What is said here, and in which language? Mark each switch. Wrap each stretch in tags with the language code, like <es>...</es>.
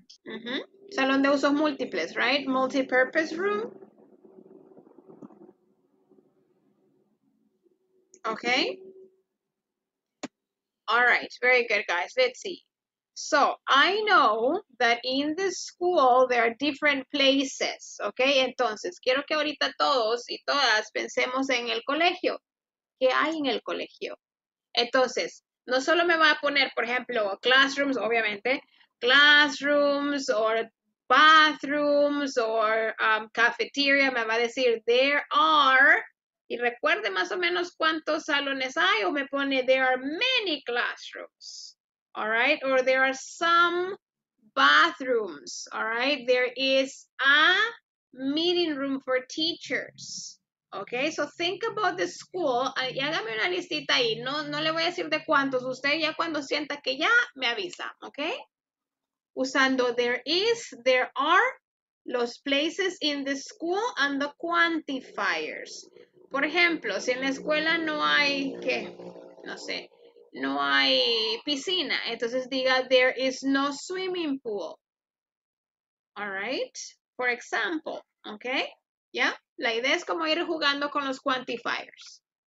<es>Mm-hmm. Salón de usos múltiples, right?</es> <en>Multi-purpose room. Okay. All right, very good, guys. Let's see. So, I know that in the school, there are different places, okay?</en> <es>Entonces, quiero que ahorita todos y todas pensemos en el colegio. ¿Qué hay en el colegio? Entonces, no solo me va a poner, por ejemplo, classrooms, obviamente, classrooms or bathrooms or cafeteria, me va a decir, there are, y recuerde más o menos cuántos salones hay, o me pone,</es> <en>there are many classrooms. All right, or there are some bathrooms. All right, there is a meeting room for teachers. Okay, so think about the school.</en> <es>Y hágame una listita ahí. No, no le voy a decir de cuántos. Usted ya cuando sienta que ya, me avisa.</es> <en>Okay, usando there is, there are, los places in the school and the quantifiers.</en> <es>Por ejemplo, si en la escuela no hay, ¿qué? No sé, no hay piscina.</es> <en>Entonces diga, there is no swimming pool. All right, for example, okay?</en> <es>Yeah, la idea es como ir jugando con los quantifiers.</es>